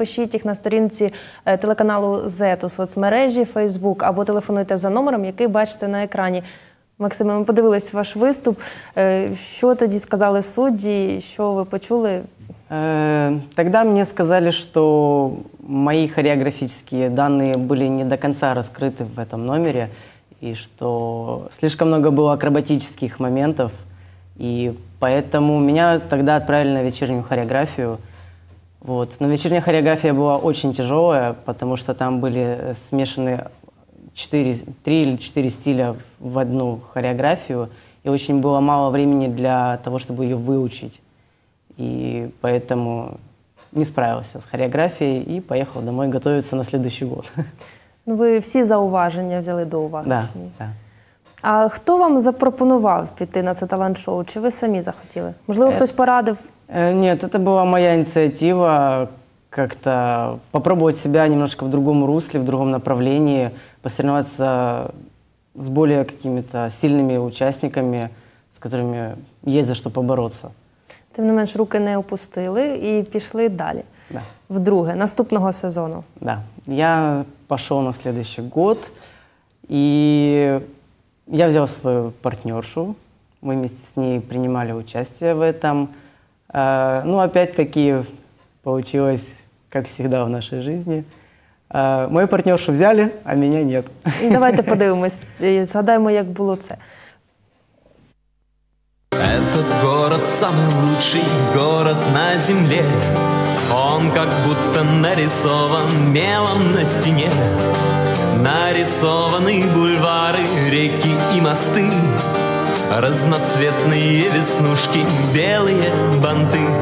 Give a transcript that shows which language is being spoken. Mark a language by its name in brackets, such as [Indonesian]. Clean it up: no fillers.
[Ukrainian] Пишіть їх на сторінці телеканалу «Зет» у соцмережі, Фейсбук, або телефонуйте за номером, який бачите на екрані. Максиме, ми подивились ваш виступ. Що тоді сказали судді? Що ви почули? Тоді мені сказали, що мої хореографічні дані були не до кінця розкриті в цьому номері. [Russian] И что слишком много было акробатических моментов, и поэтому меня тогда отправили на вечернюю хореографию. Вот. Но вечерняя хореография была очень тяжелая, потому что там были смешаны 3 или 4 стиля в одну хореографию, и очень было мало времени для того, чтобы ее выучить. И поэтому не справился с хореографией и поехал домой готовиться на следующий год. [Ukrainian] Ну, ви всі зауваження взяли до уваги. [Russian] Да, [Ukrainian] а хто вам запропонував піти на це талант-шоу? Чи ви самі захотіли? Можливо, хтось порадив? Ні, це була моя ініціатива. Как-то попробувати себе немножко в другому руслі, [Russian] в другому направлении, [Ukrainian] посоревноваться з більш якими-то сильними учасниками, з которыми є за що поборотися. Тим не менш, руки не опустили і пішли далі. [Russian] Да. [Ukrainian] Вдруге, наступного сезону. [Russian] Да. Я пошел на следующий год, и я взял свою партнершу. Мы вместе с ней принимали участие в этом. Ну, опять-таки, получилось, как всегда в нашей жизни. Мою партнершу взяли, а меня нет. [Ukrainian] Давайте подивимось, згадаємо, як було це. [Russian] Этот город самый лучший город на земле. Он как будто нарисован мелом на стене. Нарисованы бульвары, реки и мосты. Разноцветные веснушки, белые банты.